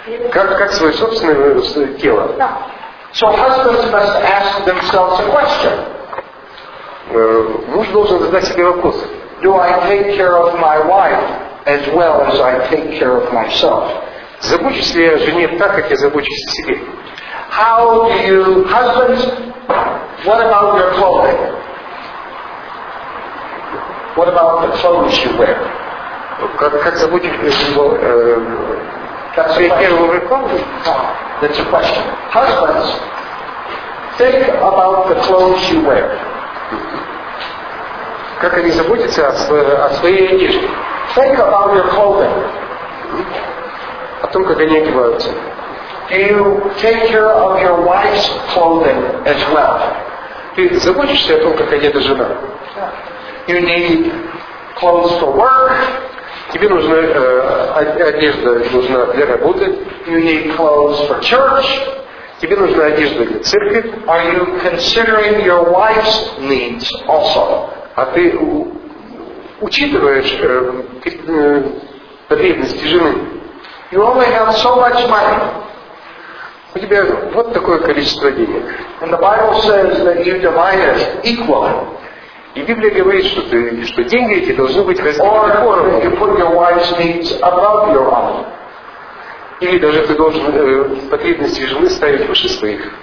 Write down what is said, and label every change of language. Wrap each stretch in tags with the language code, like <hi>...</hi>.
<ru>Как свое собственное тело.</ru> <en>So husbands must ask themselves a question.</en> <ru>Муж должен задать себе вопрос.</ru> <en>Do I take care of my wife as well as I take care of myself?</en> <ru>Забочусь ли я о жене так, как я забочусь о себе?</ru> <en>How do you, husbands, what about your clothing? What about the clothes you wear?</en> <ru>Как заботишься о</ru> <en>That's a question. Husbands, think about the clothes you wear.</en> <ru>Как они заботятся о своей одежде?</ru> <en>Think about your clothing.</en> <ru>О том, как они одеваются.</ru> <en>Do you take care of your wife's clothing as well?</en> <ru>Ты заботишься о том, как одета жена?</ru> <en>You need clothes for work.</en> <ru>Тебе нужна одежда нужна для работы.</ru> <en>You need clothes for church.</en> <ru>Тебе нужна одежда для церкви.</ru> <en>Are you considering your wife's needs also?</en> <ru>А ты учитываешь потребности жены?</ru> <en>You only have so much money.</en> <ru>У тебя вот такое количество денег.</ru> <en>And the Bible says that you divide it equally.</en> <ru>И Библия говорит, что деньги эти должны быть разделены поровну.</ru> <en>You put your wife's needs above your own.</en> <ru>Или даже ты должен потребности жены ставить выше своих.</ru>